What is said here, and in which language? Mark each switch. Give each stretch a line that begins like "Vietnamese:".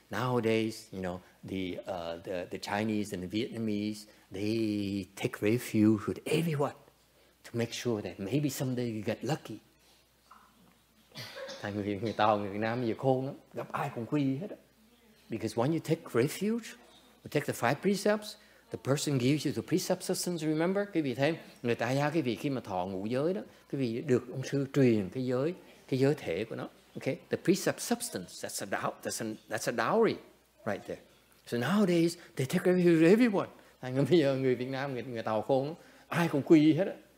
English: Nowadays, you know, the Chinese and the Vietnamese, they take refuge with everyone to make sure that maybe someday you get lucky.
Vietnamese: Thành người Tàu, người Việt Nam giờ khôn lắm, gặp ai cũng quy hết á.
English: Because when you take refuge, you take the five precepts, the person gives you the precept systems, remember?
Vietnamese: Quý vị thấy, người tại gia quý vị khi mà thọ ngũ giới đó, quý vị được ông sư truyền cái giới thể của nó.
English: Okay, the precept substance, that's a dowry right there. So nowadays, they take refuge with everyone.
Vietnamese: Thành người bây giờ người Việt Nam, người Tàu khôn, ai cũng quy hết á.